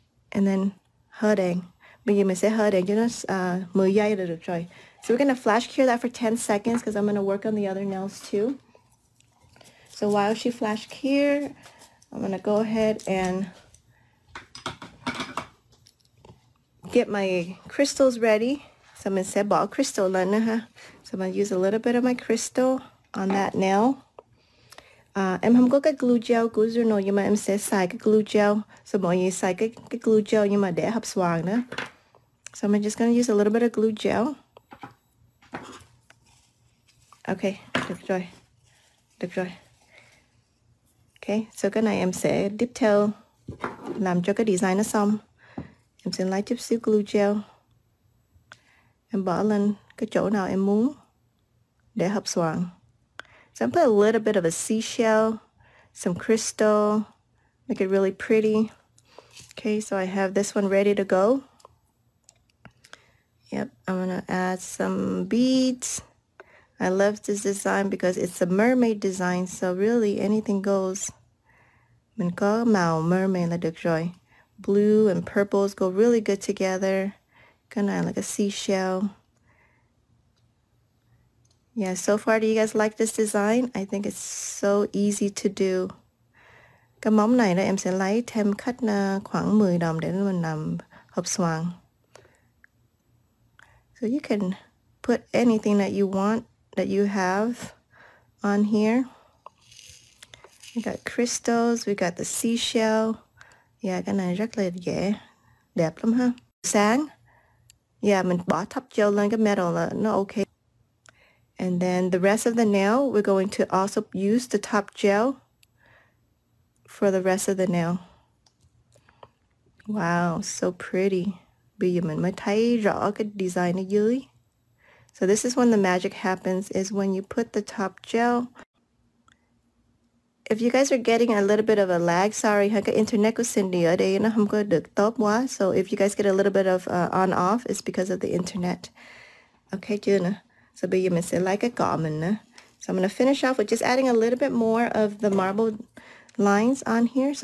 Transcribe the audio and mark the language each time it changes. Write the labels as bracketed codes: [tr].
[vi] And then hơi đèn. Bây giờ mình sẽ hơi đèn cho nó 10 giây là được rồi. [en] So we're gonna flash cure that for 10 seconds because I'm gonna work on the other nails too. So while she flash cure, I'm gonna go ahead and get my crystals ready. [vi] So mình sẽ bỏ crystal lên nữa ha. [en] So I'm gonna use a little bit of my crystal on that nail. [vi] Em không có cái glue gel của Zuno nhưng mà em sẽ xài cái glue gel. So mọi người xài cái glue gel nhưng mà để hấp xoàng nữa. [en] So I'm just gonna use a little bit of glue gel. [vi] Okay, được rồi. Okay, so cái này em sẽ dip tail làm cho cái design nó xong. Em sẽ lấy chút xíu glue gel. Em bỏ lên cái chỗ nào em muốn để hấp xoàng. [en] So I'm put a little bit of a seashell, some crystal, make it really pretty. Okay, so I have this one ready to go. Yep, I'm gonna add some beads. I love this design because it's a mermaid design, so really anything goes. [vi] Mình có màu mermaid là được rồi. [en] Blue and purples go really good together. Kind of like a seashell. Yeah, so far, do you guys like this design? I think it's so easy to do. [vi] Cái móng này đó em sẽ lấy thêm cắt khoảng 10 đồng để mình làm hộp xoàng. [en] So you can put anything that you want, that you have on here. We got crystals, we got the seashell. [vi] Yeah, cái này rất là dễ. Đẹp lắm ha. Sáng. Yeah, mình bỏ thấp gel lên cái metal là nó okay. [en] And then the rest of the nail, we're going to also use the top gel for the rest of the nail. Wow, so pretty. [vi] Bây giờ mình mới thấy rõ cái design ở dưới. [en] So this is when the magic happens, is when you put the top gel. If you guys are getting a little bit of a lag, sorry, hả, [vi] cái internet của Cindy ở đây nó không có được tốt quá. [en] So if you guys get a little bit of on-off, it's because of the internet. [vi] Okay, chưa nè. So bây giờ mình sẽ lấy cái cọ mình nè. [en] So I'm gonna finish off with just adding a little bit more of the marble lines on here.